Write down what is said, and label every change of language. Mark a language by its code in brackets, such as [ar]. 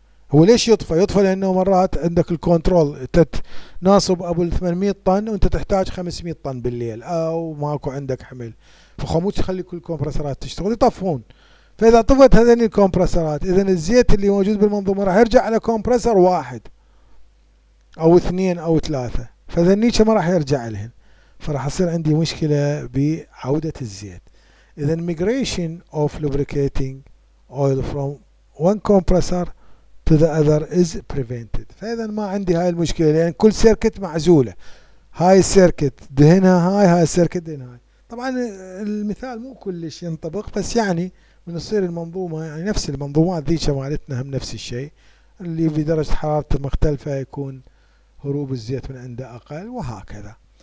[ar] هو ليش يطفى؟ يطفى لانه مرات عندك الكنترول تتناصب ابو 800 طن وانت تحتاج 500 طن بالليل او ماكو عندك حمل، فخمو تخلي كل الكمبرسرات تشتغل يطفون. فاذا طفت هذين الكمبرسرات اذا الزيت اللي موجود بالمنظومة راح يرجع على كمبرسر واحد او 2 او 3، فذنيك ما راح يرجع لهن، فراح يصير عندي مشكلة بعودة الزيت. [en] اذا migration of lubricating oil from one compressor to the other is prevented. [ar] فاذا ما عندي هاي المشكلة، لان يعني كل سيركت معزولة، هاي السيركت دهنها هاي، هاي السيركت دهنها هاي. طبعا المثال مو كلش ينطبق، بس يعني من تصير المنظومة، يعني نفس المنظومات ذيك مالتنا هم نفس الشيء، اللي بدرجة حرارة مختلفة يكون هروب الزيت من عنده اقل وهكذا.